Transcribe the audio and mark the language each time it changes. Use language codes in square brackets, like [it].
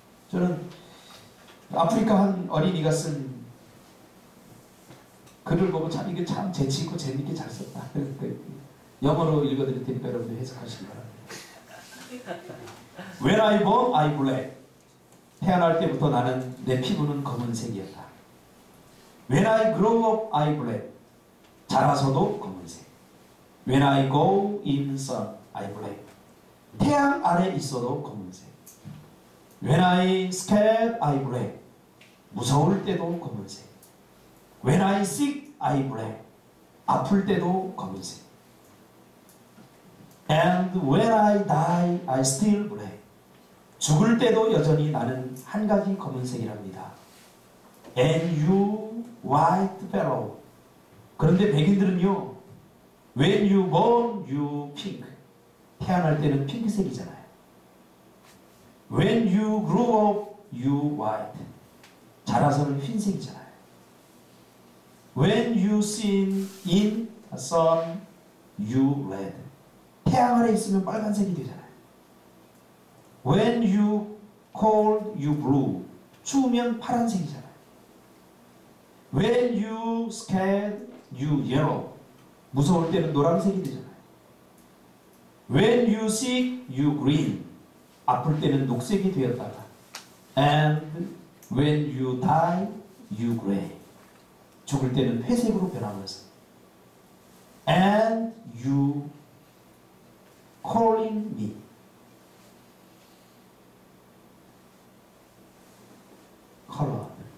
[ko] 저는 아프리카 한 어린이가 쓴 글을 보고 참 이게 참 재치 있고 재밌게 잘 썼다. 영어로 읽어드릴 테니까 여러분들 해석하시기 바랍니다. [en] When I born, I black. [ko] 태어날 때부터 나는 내 피부는 검은색이었다. [en] When I grow up, I black. [ko] 자라서도 검은색. [en] When I go in the sun, I black. [ko] 태양 아래 있어도 검은색. [en] When I scared, I black. [ko] 무서울 때도 검은색. [en] When I sick, I black. [ko] 아플 때도 검은색. [en] And when I die, I still black. [ko] 죽을 때도 여전히 나는 한 가지 검은색이랍니다. [en] And you, white fellow. [ko] 그런데 백인들은요, [en] When you born, you pink. [ko] 태어날 때는 핑크색이잖아요. [en] When you grow up, you white. [ko] 자라서는 흰색이잖아요. [en] When you seen in the sun, you red. [ko] 태양 아래 있으면 빨간색이 되잖아요. [en] When you cold, you blue. [ko] 추우면 파란색이잖아요. [en] When you scared, you yellow. [ko] 무서울 때는 노란색이 되잖아요. [en] When you sick, you green. [ko] 아플 때는 녹색이 되었다가. [en] And when you die, you gray. [ko] 죽을 때는 회색으로 변하면서. [en] And you calling me. [ko] 컬러.